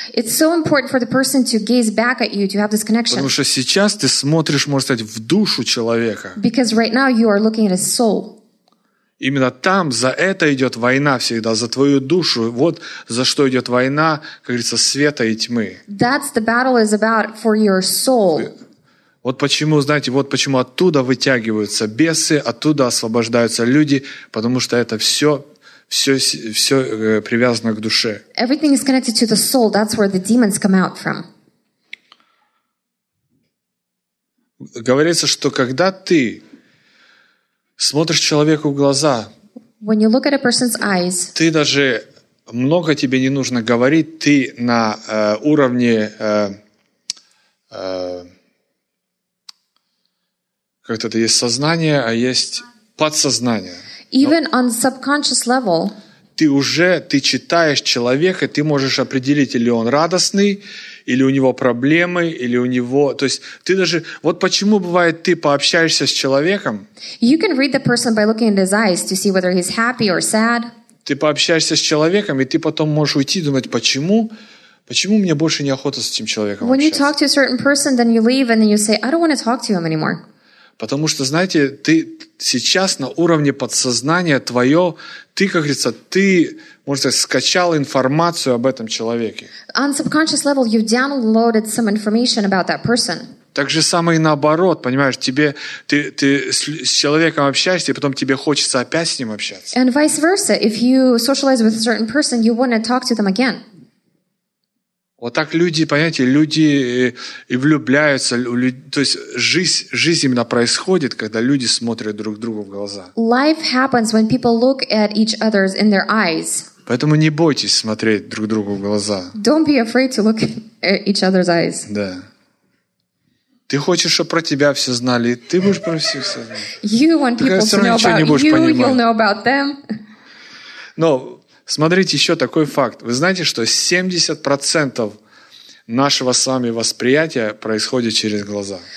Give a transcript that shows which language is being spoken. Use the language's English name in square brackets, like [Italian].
[English] It's so important for the person to gaze back at you, to have this connection. [Russian] Потому что сейчас ты смотришь, можно сказать, в душу человека. [English] Because right now you are looking at his soul. [Russian] Именно там за это идет война всегда, за твою душу. Вот за что идет война, как говорится, света и тьмы. [English] That's the battle is about for your soul. [Russian] Вот почему, знаете, вот почему оттуда вытягиваются бесы, оттуда освобождаются люди, потому что это все... Все привязано к душе. [English] Everything is connected to the soul. That's where the demons come out from. [Russian] Говорится, что когда ты смотришь человеку в глаза, [English] When you look at a person's eyes, [Russian] ты даже много тебе не нужно говорить, ты на уровне как-то это есть сознание, а есть подсознание. [English] Even on subconscious level, [Russian] ты читаешь человека, ты можешь определить, или он радостный, или у него проблемы, или у него... То есть ты даже... Вот почему бывает, ты пообщаешься с человеком... [English] You can read the person by looking at his eyes to see whether he's happy or sad. [Russian] Ты пообщаешься с человеком, и ты потом можешь уйти и думать, почему... Почему мне больше неохота с этим человеком [English] When [Russian] общаться? [English] When you talk to a certain person, then you leave, and then you say, I don't want to talk to him anymore. [Russian] Потому что, знаете, ты сейчас на уровне подсознания твое, ты, как говорится, ты, можно сказать, скачал информацию об этом человеке. [English] On subconscious level, you downloaded some information about that person. [Russian] Так же самое и наоборот, понимаешь, ты с человеком общаешься, и потом тебе хочется опять с ним общаться. [English] And vice versa, if you socialize with a certain person, you want to talk to them again. [Russian] Вот так люди, понимаете, люди и влюбляются. То есть жизнь именно происходит, когда люди смотрят друг другу в глаза. [English] Life happens when people look at each other in their eyes. [Russian] Поэтому не бойтесь смотреть друг другу в глаза. [English] Don't be afraid to look at each other's eyes. [Russian] Да. Ты хочешь, чтобы про тебя все знали, ты будешь про всех все знать. [English] You want people to know about you, [Russian] понимать. [English] You'll know about them. [Russian] Но смотрите еще такой факт. Вы знаете, что 70% нашего с вами восприятия происходит через глаза.